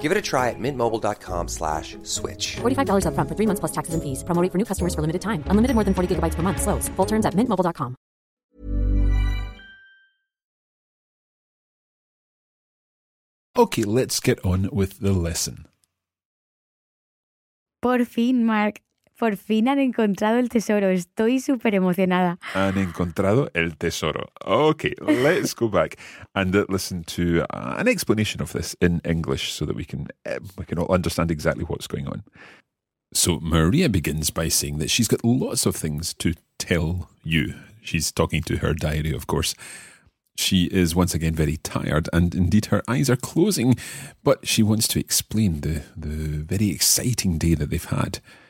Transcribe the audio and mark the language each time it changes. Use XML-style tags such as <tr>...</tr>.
<en>Give it a try at mintmobile.com/switch. $45 up front for 3 months plus taxes and fees. Promo rate for new customers for limited time. Unlimited more than 40 gigabytes per month. Slows full terms at mintmobile.com. Okay, let's get on with the lesson.</en> <es>Por fin, Mark. Por fin han encontrado el tesoro. Estoy súper emocionada. Han encontrado el tesoro.</es> <en>Okay, let's go back and listen to an explanation of this in English so that we can all understand exactly what's going on. So Maria begins by saying that she's got lots of things to tell you. She's talking to her diary, of course. She is once again very tired, and indeed her eyes are closing, but she wants to explain the very exciting day that they've had.</en>